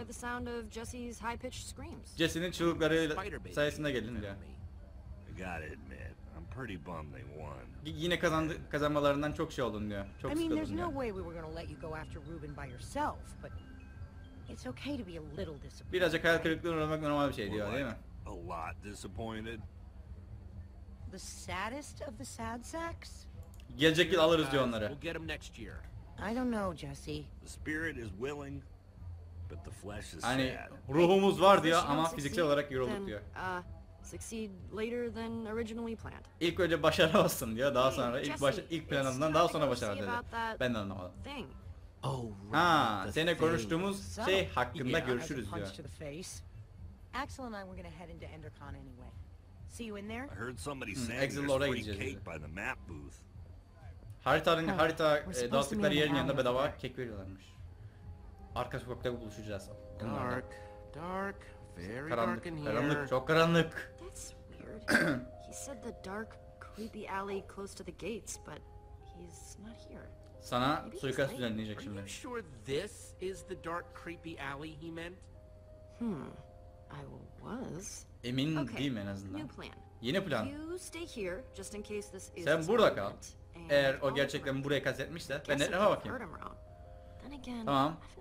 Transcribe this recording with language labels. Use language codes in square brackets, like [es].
[en] By the sound of Jesse's high-pitched screams. [tr] Jesse'nin çığlıkları sayesinde geldin diyor. [en] I gotta admit, I'm pretty bummed they won. [tr] Yine kazanmalarından çok şey oldun diyor. Çok [en] I mean, there's no way we were gonna let you go after Ruben by yourself, but it's okay to be a little disappointed. [tr] Birazcık hayal kırıklığına uğramak normal bir şey diyor, değil mi? [en] A lot disappointed. The saddest of the sad sacks. [tr] Gelecek yıl alırız diyor onları. [en] We'll get them next year. I don't know, Jesse. The spirit is willing, but the flesh is sad. [tr] Hani ruhumuz var diyor ama fiziksel olarak yorulduk diyor. [en] Succeed later than originally planned. [tr] İlk önce başarı olsun diyor. Daha sonra ilk başa ilk planından daha sonra başarı dedi. Ben de anlamadım. [en] Thing. Oh, right. [tr] Ha, seninle konuştuğumuz şey hakkında görüşürüz diyor. [en] Axel and I were going to head into Endercon anyway. See you in there? I heard somebody saying there's free cake by the map booth. [tr] Haritanın harita dağıttıkları yerin yanında bedava kek veriyorlarmış. Arka sokakta buluşacağız. [en] Dark, dark, very [tr] karanlık, [en] dark in [tr] karanlık, [en] here. [tr] Çok karanlık. [en] That's weird. He said the dark, creepy alley close to the gates, but he's not here. [tr] Sana suikast düzenleyecek şimdi. [en] Are you sure this is the dark, creepy alley he meant? I was. [tr] Emin [en] okay, [tr] değilim en azından. [en] New plan. [tr] Yeni plan. [en] You stay here just in case this is [tr] sen burada kal. Eğer o gerçekten burayı kastetmişse ben netleme bakayım. Tamam.